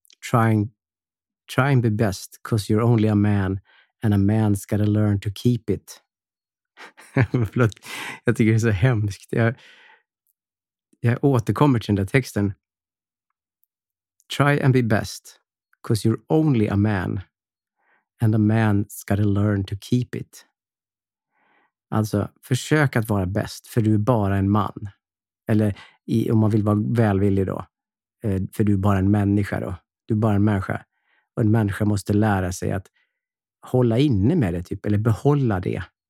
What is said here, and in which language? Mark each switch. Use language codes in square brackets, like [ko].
[en] Try and be best because you're only a man and a man's gotta learn to keep it. [sv] Förlåt, jag tycker det är så hemskt. Jag återkommer till den där texten. [en] Try and be best, because you're only a man, and a man's gotta learn to keep it. [sv] Alltså, försök att vara bäst, för du är bara en man. Eller om man vill vara välvillig då, för du är bara en människa då. Du är bara en människa. Och en människa måste lära sig att hålla inne med det typ, eller behålla det.